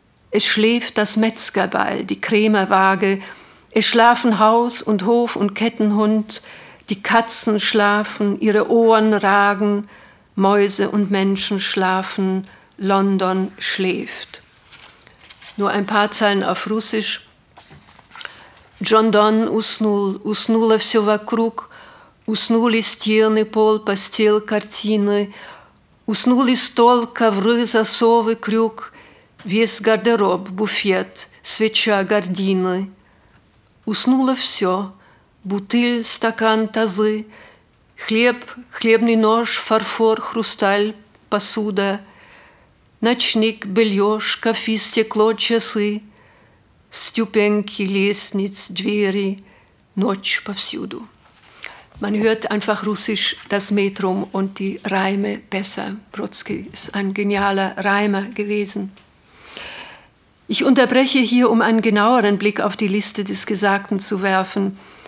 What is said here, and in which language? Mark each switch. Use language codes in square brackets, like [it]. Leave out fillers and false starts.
[de] Es schläft das Metzgerbeil, die Krämerwaage, es schlafen Haus und Hof und Kettenhund, die Katzen schlafen, ihre Ohren ragen, Mäuse und Menschen schlafen, London schläft. Nur ein paar Zeilen auf Russisch. [ru] John Donne уснул, уснуло все вокруг, уснули стены, пол, постель, картины, уснули стол, ковры, засовы, крюк, весь гардероб, буфет, свеча, гардины. Уснуло все, бутыль, стакан, тазы, хлеб, хлебный нож, фарфор, хрусталь, посуда, ночник, белье, шкафы, стекло, часы. Stupenki, Lesnitz, Dveri, Notch, повсюду. [de] Man hört einfach Russisch das Metrum und die Reime besser. Brodsky ist ein genialer Reimer gewesen. Ich unterbreche hier, um einen genaueren Blick auf die Liste des Gesagten zu werfen.